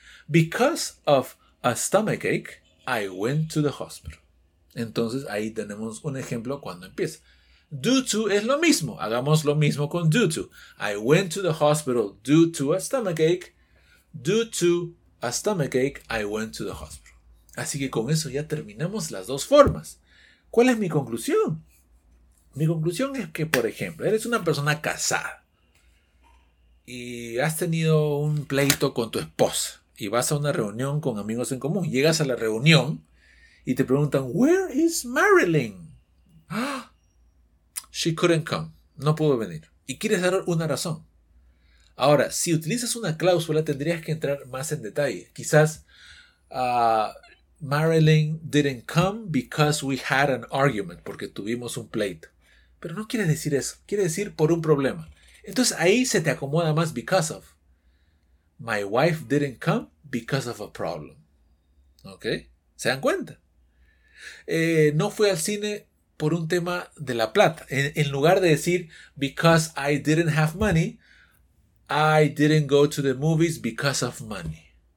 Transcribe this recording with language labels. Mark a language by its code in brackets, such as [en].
[en] Because of a stomachache, I went to the hospital. [es] Entonces, ahí tenemos un ejemplo cuando empieza. Due to es lo mismo. Hagamos lo mismo con [en] due to. I went to the hospital due to a stomachache. Due to a stomachache, I went to the hospital. [es] Así que con eso ya terminamos las dos formas. ¿Cuál es mi conclusión? Mi conclusión es que, por ejemplo, eres una persona casada. Y has tenido un pleito con tu esposa. Y vas a una reunión con amigos en común. Llegas a la reunión y te preguntan, [en] ¿Where is Marilyn? Ah, she couldn't come. [es] No pudo venir. Y quieres dar una razón. Ahora, si utilizas una cláusula, tendrías que entrar más en detalle. [en] Quizás, Marilyn didn't come because we had an argument. [es] Porque tuvimos un pleito. Pero no quiere decir eso. Quiere decir por un problema. Entonces ahí se te acomoda más because of. [en] My wife didn't come because of a problem. [es] ¿Ok? ¿Se dan cuenta? No fui al cine por un tema de la plata. En lugar de decir [en] because I didn't have money, I didn't go to the movies because of money.